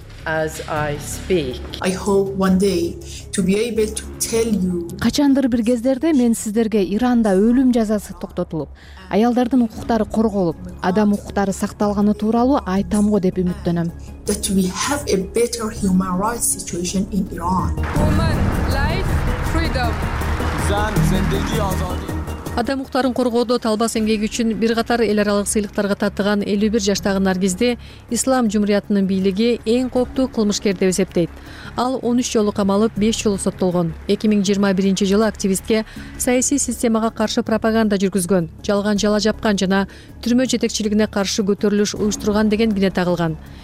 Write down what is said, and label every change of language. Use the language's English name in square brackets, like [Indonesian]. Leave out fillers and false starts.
[English] I hope one day to be able to tell you. [Kyrgyz] Качандыр бир кездерде мен сиздерге Иранда өлүм жазасы токтотулуп, аялдардын укуктары корголуп, адам укуктары сакталганы тууралуу айтам го деп үмүттөнөм. [English] That we have a better human rights situation in Iran. Woman, life. [Kyrgyz] Адам укуктарын коргоодо талбас эмгеги үчүн бир катар эл аралык сыйлыктарга татыган 51 жаштагы Наргизди Ислам Жумуриятынын бийлиги эң кооптуу кылмышкер деп эсептейт. Ал 13 жолу камалып, 5 жолу соттолгон. 2021 жылы активистке саясий системага каршы пропаганда жүргүзгөн, жалган жала жапкан жана түрмө жетекчилигине каршы көтөрүлүш уюштурган деген кине тагылган.